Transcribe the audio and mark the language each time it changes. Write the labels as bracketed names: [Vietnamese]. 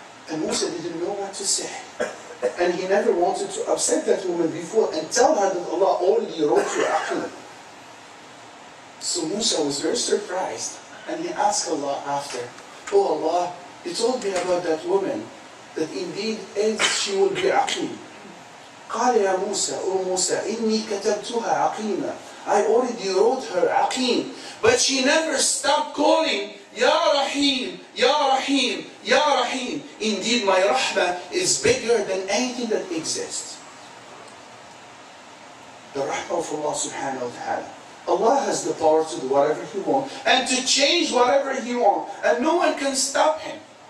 [English] And Musa didn't know what to say. And he never wanted to upset that woman before and tell her that Allah already wrote her aqim. So Musa was very surprised and he asked Allah after, Oh Allah, you told me about that woman. That indeed she will be aqim. [Arabic] قال يا موسى أو موسى إني كتبتها عقيمة. [English] I already wrote her aqim, but she never stopped calling Ya Rahim, Ya Rahim, Ya Rahim. Indeed, my rahmah is bigger than anything that exists. The rahmah of Allah Subhanahu wa Taala. Allah has the power to do whatever He wants and to change whatever He wants, and no one can stop Him.